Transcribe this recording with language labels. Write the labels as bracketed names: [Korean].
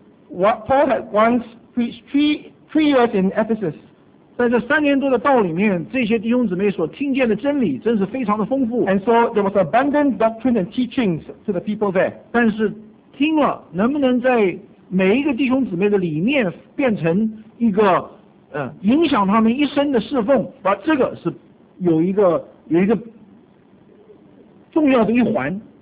[English] What Paul had once preached three years in Ephesus. [Chinese] 在这三年多的道里面，这些弟兄姊妹所听见的真理真是非常的丰富。 [English] And so there was abundant doctrine and teachings to the people there. [Chinese] 但是听了能不能在每一个弟兄姊妹的里面变成一个影响他们一生的侍奉，把这个是有一个重要的一环。